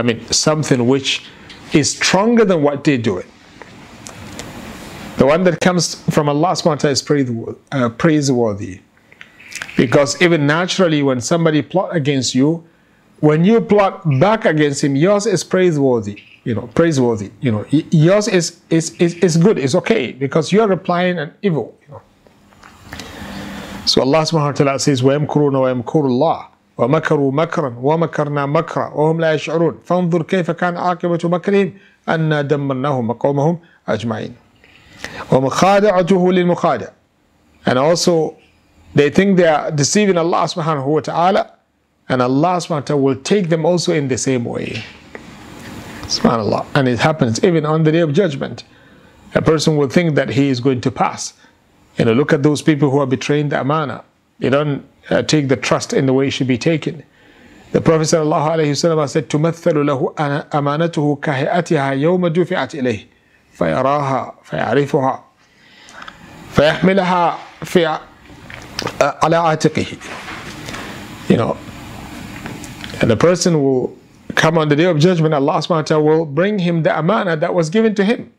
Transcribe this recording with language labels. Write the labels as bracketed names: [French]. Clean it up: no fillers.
[English] something which is stronger than what they're doing. The one that comes from Allah subhanahu wa ta'ala is praiseworthy. Because even naturally, when somebody plot against you, when you plot back against him, yours is praiseworthy. Yours is good, it's okay, because you are replying an evil. So Allah subhanahu wa ta'ala says, [Arabic] وَيَمْكُرُونَ وَيَمْكُرُ اللَّهِ وَمَكَرُوا مَكْرًا وَمَكَرْنَا مَكْرًا وَهُمْ لَا يَشْعُرُونَ فَانْظُرْ كَيْفَ كَانَ عَاقِبَةُ مَكْرِهِمْ أَنَّا دَمَّرْنَاهُمْ وَقَوْمَهُمْ أَجْمَعِينَ وَمَخَادَعَتُهُ لِلْمُخَادَعِ. [English] And also, they think they are deceiving Allah subhanahu wa ta'ala, and Allah subhanahu wa ta'ala will take them also in the same way. Subhanallah. And it happens even on the day of judgment. A person will think that he is going to pass. You know, look at those people who are betraying the amana. They don't take the trust in the way it should be taken. The Prophet sallallahu alayhi wa sallam said, [Arabic] تُمَثَّلُ لَهُ أَمَانَتُهُ كَهِئَتِهَا يَوْمَ دُفِعَتْ إِلَيْهِ فَيَرَاهَا فَيَعْرِفُهَا فَيَحْمِلَهَا فِي عَلَىٰ عَاتِقِهِ. [English] You know, and the person will come on the day of judgment, Allah subhanahu wa ta'ala will bring him the amana that was given to him.